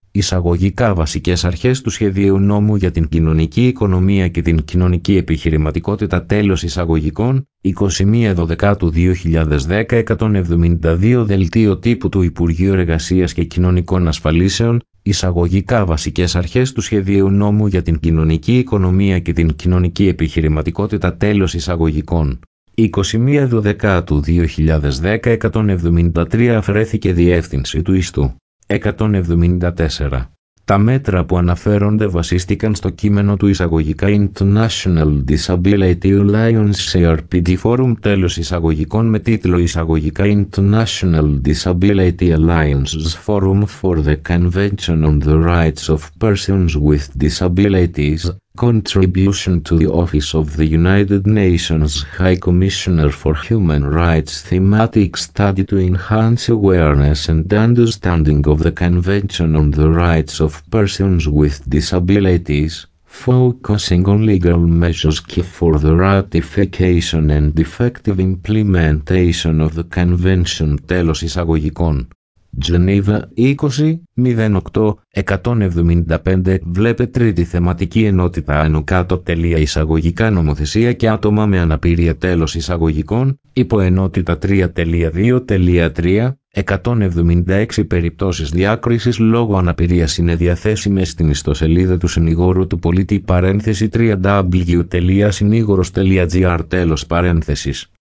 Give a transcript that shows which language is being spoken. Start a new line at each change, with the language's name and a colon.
Greek: εισαγωγικά βασικές αρχές του σχεδίου νόμου για την κοινωνική οικονομία και την κοινωνική επιχειρηματικότητα τέλος εισαγωγικών, 21-12-2010 172 δελτίο τύπου του Υπουργείου Εργασίας και Κοινωνικών Ασφαλίσεων, εισαγωγικά βασικές αρχές του σχεδίου νόμου για την κοινωνική οικονομία και την κοινωνική επιχειρηματικότητα τέλος εισαγωγικών. 21-12-2010 173 αφαιρέθηκε διεύθυνση του ιστού. 174. Τα μέτρα που αναφέρονται βασίστηκαν στο κείμενο του εισαγωγικά
English: International Disability Alliance CRPD Forum τέλος εισαγωγικών με τίτλο Εισαγωγικά International Disability Alliance's Forum for the Convention on the Rights of Persons with Disabilities, Contribution to the Office of the United Nations High Commissioner for Human Rights Thematic Study to Enhance Awareness and Understanding of the Convention on the Rights of Persons with Disabilities, focusing on legal measures key for the ratification and effective implementation of the Convention.
Greek: Τέλος εισαγωγικών. Geneva 20-08-175 βλέπε τρίτη θεματική ενότητα άνω κάτω τελεία εισαγωγικά νομοθεσία και άτομα με αναπηρία τέλος εισαγωγικών, υπό ενότητα 3.2.3, 176 περιπτώσεις διάκρισης λόγω αναπηρίας είναι διαθέσιμες στην ιστοσελίδα του συνηγόρου του πολίτη παρένθεση www.sinigoros.gr τέλος παρένθεσης.